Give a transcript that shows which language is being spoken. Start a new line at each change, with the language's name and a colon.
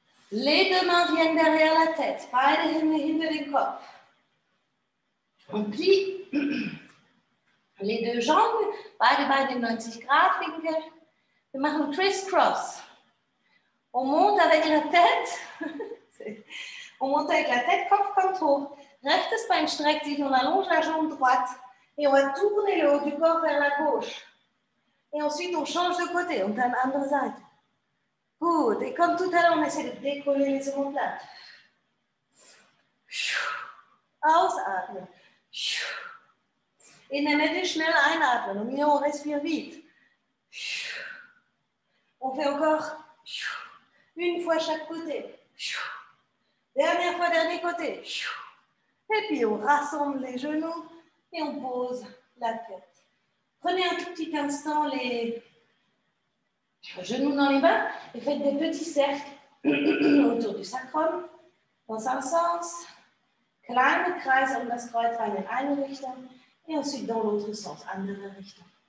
French: Les deux mains viennent derrière la tête.
German: Beide Hände hinter den Kopf.
French: On plie les deux jambes.
German: Beide Beine 90 Grad Winkel. Wir machen criss-cross.
French: On monte avec la tête. On monte avec la tête.
German: Kopf kommt hoch. Rechtes Bein streckt sich.
French: On allonge la jambe droite. Et on va tourner le haut du corps vers la gauche. Et ensuite, on change de côté. On a une
German: andere Seite.
French: Good. Et comme tout à l'heure, on essaie de décoller les omoplates.
German: Ausatmen. In der Mitte schnell einatmen. Und hier,
French: on respire vite. On fait encore une fois chaque côté. Dernière fois, dernier côté. Et puis, on rassemble les genoux et on pose la tête. Prenez un tout petit instant les genoux dans les mains et faites des petits cercles autour du sacrum dans un sens.
German: Kleine Kreis um das Kreuzbein in eine Richtung
French: et ensuite dans l'autre sens,
German: andere Richtung.